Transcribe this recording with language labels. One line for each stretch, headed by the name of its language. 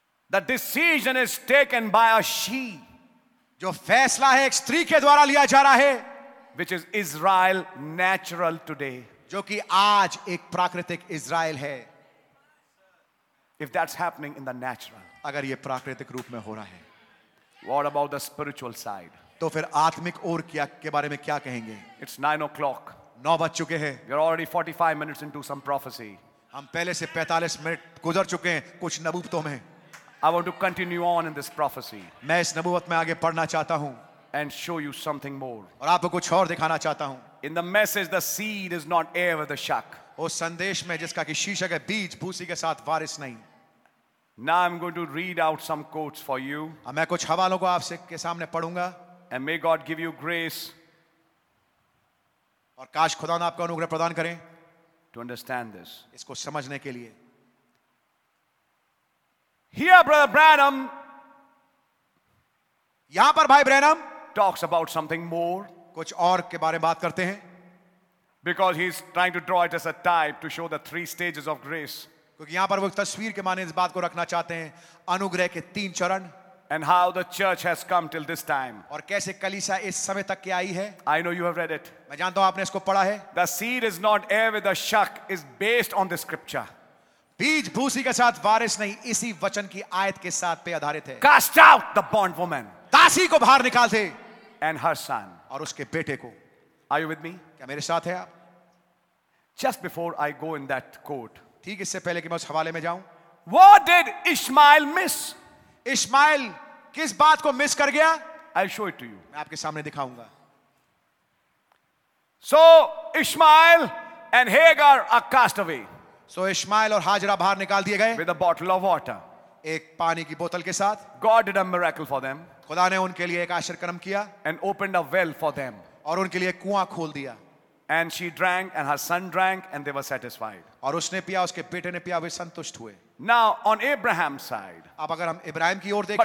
English: The decision is taken by a she.
Hindi: जो फैसला है एक स्त्री के द्वारा लिया जा रहा है.
English: Which is Israel natural today.
Hindi: जो कि आज एक प्राकृतिक इज़राइल है.
English: If that's happening in the natural.
Hindi: अगर ये प्राकृतिक रूप में हो रहा है.
English: What about the spiritual side?
Hindi: तो फिर आत्मिक ओर क्या के बारे में क्या कहेंगे?
English: It's 9:00.
Hindi: 9 बज चुके हैं.
English: We are already 45 minutes into some prophecy.
Hindi: हम पहले से 45 मिनट गुजर चुके हैं कुछ नबूवतों में.
English: I want to continue on in this prophecy.
Hindi: मैं इस नबूवत में आगे पढ़ना चाहता हूँ.
English: And show you something more.
Hindi: और आपको कुछ और दिखाना चाहता हूँ.
English: In the message, the seed is not heir with the shuck.
Hindi: ओ संदेश में जिसका कि शीशक है बीज भूसी के साथ वारिस नहीं.
English: Now I'm going to read out some quotes for you.
Hindi: अब मैं कुछ हवालों को आपसे के सामने पढ़ूंगा.
English: And may God give you grace.
Hindi: और काश खुदा ने आपको अनुग्रह प्रदान करें.
English: To understand this.
Hindi: इसको समझने के लिए.
English: Here, Brother Branham.
Hindi: यहां पर भाई Branham
English: talks about something more.
Hindi: कुछ और के बारे में बात करते हैं.
English: Because he's trying to draw it as a type to show the three stages of grace.
Hindi: क्योंकि यहां पर वो तस्वीर के माने इस बात को रखना चाहते हैं अनुग्रह के तीन चरण.
English: And how the church has come till this time.
Hindi: और कैसे कलीसिया इस समय तक के आई है.
English: I know you have read it.
Hindi: मैं जानता हूं आपने इसको पढ़ा है.
English: The seed is not heir with the shuck is based on the scripture.
Hindi: बीज भूसी के साथ वारिस नहीं इसी वचन की आयत के साथ पे आधारित है.
English: Cast out the bond woman.
Hindi: दासी को बाहर निकाल दे.
English: And her son.
Hindi: और उसके बेटे को.
English: Are you with me?
Hindi: क्या मेरे साथ है आप?
English: Just before I go in that court.
Hindi: ठीक इससे पहले कि मैं उस हवाले में जाऊं.
English: What did Ishmael miss?
Hindi: Ishmael किस बात को मिस कर गया?
English: I'll show it to you.
Hindi: मैं आपके सामने दिखाऊंगा.
English: So Ishmael and Hagar are cast away.
Hindi: So Ishmael और हाजरा बाहर निकाल दिए गए.
English: With a bottle of water.
Hindi: एक पानी की बोतल के साथ.
English: God did a miracle for them.
Hindi: खुदा ने उनके लिए एक आश्चर्यकर्म किया.
English: And opened a well for them.
Hindi: और उनके लिए कुआं खोल दिया.
English: And she drank and her son drank and they were satisfied.
Hindi: और उसने पिया उसके बेटे ने पिया वे संतुष्ट हुए.
English: Now on Abraham's side.
Hindi: अब अगर हम इब्राहिम की ओर देखें.